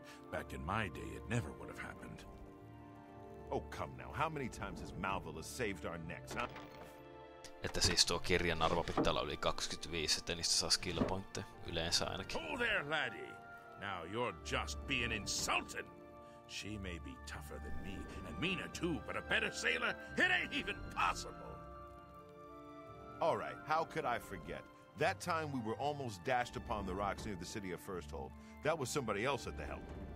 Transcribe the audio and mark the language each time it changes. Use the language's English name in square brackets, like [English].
[English] Back in my day it never would have happened. Oh, come now. How many times has Malvolla saved our necks, huh? [Finnish] Että siis tuo kirjan arvo pitää olla yli 25, että niistä saa skill pointteja yleensä ainakin. [English] Oh there, laddie. Now you're just being insulted. She may be tougher than me, and meaner too, but a better sailor? It ain't even possible. All right, how could I forget? That time we were almost dashed upon the rocks near the city of Firsthold, that was somebody else at the helm.